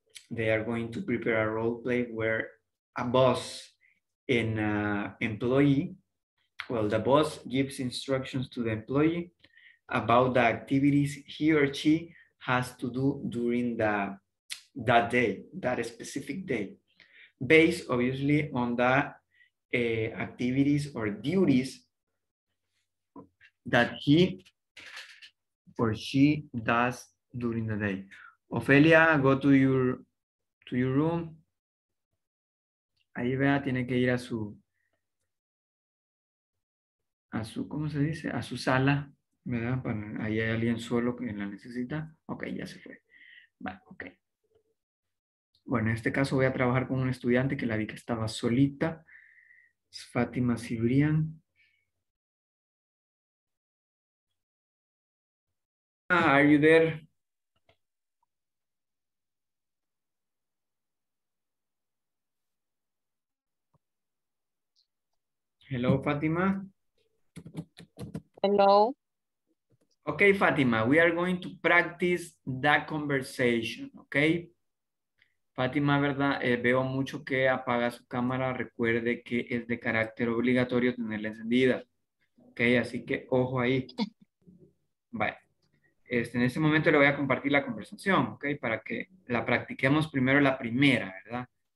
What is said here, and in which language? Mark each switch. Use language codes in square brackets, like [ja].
[en] They are going to prepare a role play where a boss and an employee, well, the boss gives instructions to the employee about the activities he or she has to do during that day, that specific day, based obviously on the activities or duties that he or she does during the day. Ofelia, go to your room. [es] Ahí vea, tiene que ir a su, ¿cómo se dice? A su sala, ¿verdad? Para, ahí hay alguien solo que la necesita. Ok, ya se fue. Va, ok. Bueno, en este caso voy a trabajar con un estudiante que la vi que estaba solita. [en] It's Fatima Cibrian. Ah, are you there? Hello, Fatima. Hello. Okay, Fatima, we are going to practice that conversation, okay? [es] Fátima, ¿verdad? Veo mucho que apaga su cámara. Recuerde que es de carácter obligatorio tenerla encendida. Ok, así que ojo ahí. Vale. En ese momento le voy a compartir la conversación, ok, para que la practiquemos primero la primera, ¿verdad?